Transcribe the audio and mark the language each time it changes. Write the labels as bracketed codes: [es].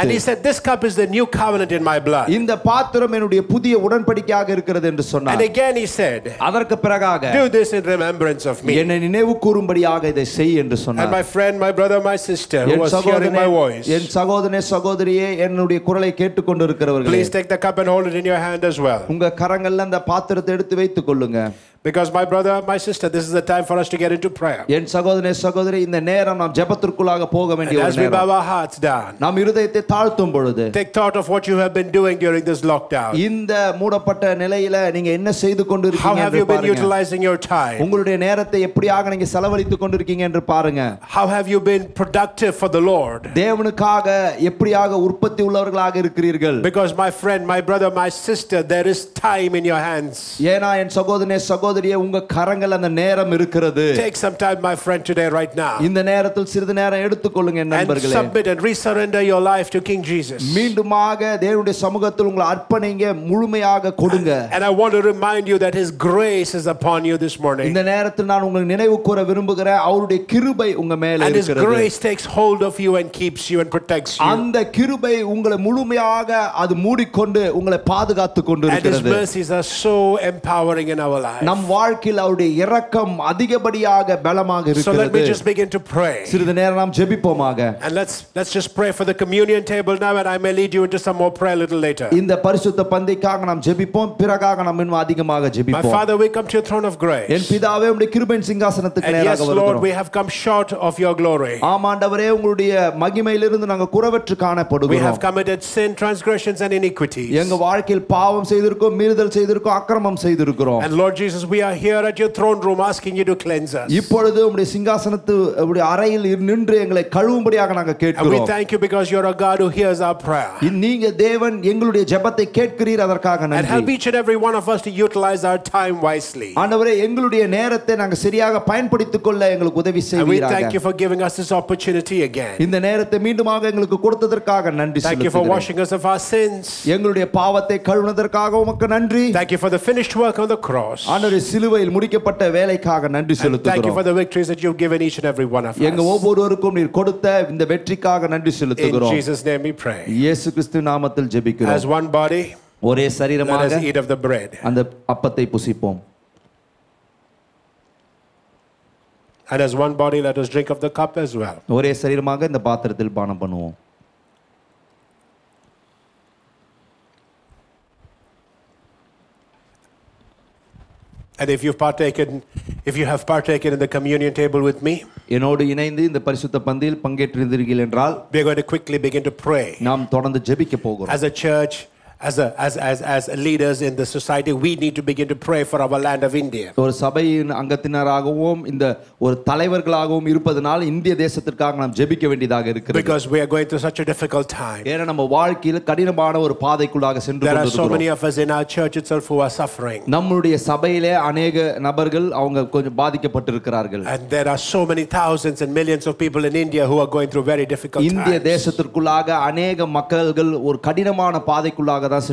[en] and he said, this cup is the new covenant in my blood. [ta] இந்த பாத்திரம் என்னுடைய புதிய உடன்படிக்கையாக இருக்கிறது என்று சொன்னார். [en] And again he said, [ta] அதற்கு பிறகாக [en] do this in remembrance of me. [ta] என்னை நினைவுகூரும்படியாக இதை செய் என்று சொன்னார். [en] And my friend, my brother, my sister who was hearing my voice. [ta] என் சகோதரனே, சகோதரியே, என்னுடைய குரலை கேட்டுக்கொண்டிருக்கிறவர்களே, [en] please take the cup and hold it in your hand as well. [ta] உங்க கரங்கள்ல அந்த பாத்திரத்தை எடுத்து வைத்துக் கொள்ளுங்க. [en] Because my brother, my sister, this is the time for us to get into prayer. [ta] என் சகோதரனே, சகோதரி, இந்த நேரம் நாம் ஜெபத்திற்குள்ளாக போக வேண்டிய ஒரு நேரம். [en] As we bow our hearts down. [ta] நாம் இருதயத்தை தாழ்த்தும் பொழுது [en] take thought of what you have been doing during this lockdown. [ta] இந்த மூடப்பட்ட நிலையில நீங்க என்ன செய்து கொண்டிருக்கீங்க என்று பாருங்க. [en] How have you been utilizing your time? [ta] உங்களுடைய நேரத்தை எப்படியாக நீங்க செலவழித்துக் கொண்டிருக்கீங்க என்று பாருங்க. [en] How have you been productive for the Lord? [ta] தேவனுக்காக எப்படியாக உற்பத்தி உள்ளவர்களாக இருக்கிறீர்கள்? [en] Because my friend, my brother, my sister, there is time in your hands. [ta] ஏனா என் சகோதரனே, சகோதரியே, உங்க கரங்கள் அந்த நேரம் இருக்கிறது. [en] Take some time, my friend, today, right now. [ta] இந்த நேரத்தில் சிறிது நேரம் எடுத்துக்கொள்ளுங்க என் நண்பர்களே. [en] And submit and resurrender your life to King Jesus. [ta] மீண்டுமாக தேவனுடைய சமூகத்தில் உங்களை அர்ப்பணிங்க, முழுமையாக கொடுங்க. [en] And I want to remind you that his grace is upon you this morning. [ta] இந்த நேரத்தில் நான் உங்களுக்கு நினைவுகூர விரும்புகிறேன், அவருடைய கிருபை உங்க மேல் இருக்கிறது. [en] And his grace takes hold of you and keeps you and protects you. [ta] அந்த கிருபை உங்களை முழுமையாக அது மூடிக்கொண்டு உங்களை பாதுகாத்துக் கொண்டிருக்கிறது. [en] And his mercies are so empowering in our life. [ta] நம் வாழ்க்கையில் அவருடைய இரக்கம் அதிகப்படியாக பலமாக இருக்கிறது. [en] So let me just begin to pray. [ta] சிறிது நேரம் நாம் ஜெபிப்போமாக. [en] And let's just pray for the communion table now, and I may lead you into some more prayer a little later. [ta] இந்த பரிசுத்த பந்தைக்காக நாம் ஜெபிப்போம், பிறகாக நாம் இன்னும் அதிகமாக ஜெபிப்போம். [en] My Father, we come to your throne of grace. [ta] என் பிதாவே, உம்முடைய கிருபை சிங்காசனத்துக்கு நேராக வருகிறோம். [en] Yes, Lord, we have come short of your glory. [ta] ஆமாண்டவரே, உம்முடைய மகிமையிலிருந்து நாங்கள் குறைவற்று காணப்படுகிறோம். [en] We have committed sin, transgressions and iniquities. [ta] எங்க வாழ்க்கையில் பாவம் செய்திருக்கோம், மீறுதல் செய்திருக்கோம், அக்கிரமம் செய்திருக்கிறோம். [en] And Lord Jesus, we are here at your throne room asking you to cleanse us. [ta] இப்பொழுது உம்முடைய சிங்காசனத்து உம்முடைய அறையில் நின்று எங்களை கழுவும்படியாக நாங்கள் கேட்கிறோம். [en] And we thank you because you are a God who hears our prayer. [ta] நீங்க தேவன், எங்களுடைய ஜெபத்தை கேட்கிறீர், அதற்காக நன்றி. [en] And help each and every one of us to utilize our time wisely. [ta] ஆண்டவரே, எங்களுடைய நேரத்தை நாங்கள் சரியாக பயன்படுத்திக் கொள்ள எங்களுக்கு உதவி செய்வீராக. [en] And we thank you for giving us this opportunity again. [ta] இந்த நேரத்தை மீண்டுமாக எங்களுக்கு கொடுத்ததற்காக நன்றி செலுத்துகிறேன். [en] Thank you for washing us of our sins. [ta] எங்களுடைய பாவத்தை கழுவுனதற்காக உமக்கு நன்றி. [en] Thank you for the finished work on the cross. [ta] ஆண்டவரே, சிலுவையில் முடிக்கப்பட்ட வேலைக்காக நன்றி செலுத்துகிறோம். [en] Thank you for the victories that you've given each and every one of us. [ta] எங்க ஒவ்வொருவருக்கும் நீர் கொடுத்த இந்த வெற்றிக்காக நன்றி செலுத்துகிறோம். [en] In Jesus' name we pray. [ta] இயேசு கிறிஸ்து நாமத்தில் ஜெபிக்கிறோம். [en] As one body, [ta] ஒரே சரீரமாக, [en] let us eat of the bread. [ta] அந்த அப்பத்தை புசிப்போம். [en] And as one body, let us drink of the cup as well. [ta] ஒரே சரீரமாக இந்த பாத்திரத்தில் பானம் பண்ணுவோம். [en] And if you have partaken in the communion table with me, [ta] என்னோடு இணைந்து இந்த பரிசுத்த பந்தியில் பங்கேற்றிருந்தீர்கள் என்றால், [en] we are going to quickly begin to pray. [ta] நாம் தொடர்ந்து ஜெபிக்க போகிறோம். [en] As a church, as leaders in the society, we need to begin to pray for our land of India. [ta] ஒரு சபையின் அங்கத்தினராகவும் இந்த ஒரு தலைவர்களாகவும் இருப்பதனால் இந்திய தேசத்திற்காக நாம் ஜெபிக்க வேண்டியதாக இருக்கிறது. [en] Because we are going through such a difficult time. [ta] ஏனா நம்ம வாழ்க்கையில் கடினமான ஒரு பாதைக்குள்ளாக சென்று கொண்டிருக்கிறோம். [en] There are so many of us in our church itself who are suffering. [ta] நம்முடைய சபையிலே अनेक நபர்கள் அவங்க கொஞ்சம் பாதிக்கப்பட்டிருக்கிறார்கள். [en] And there are so many thousands and millions of people in India who are going through very difficult times. [ta] இந்திய தேசத்திற்குள்ளாக अनेक மக்கள்கள் ஒரு கடினமான பாதைக்குள்ளாக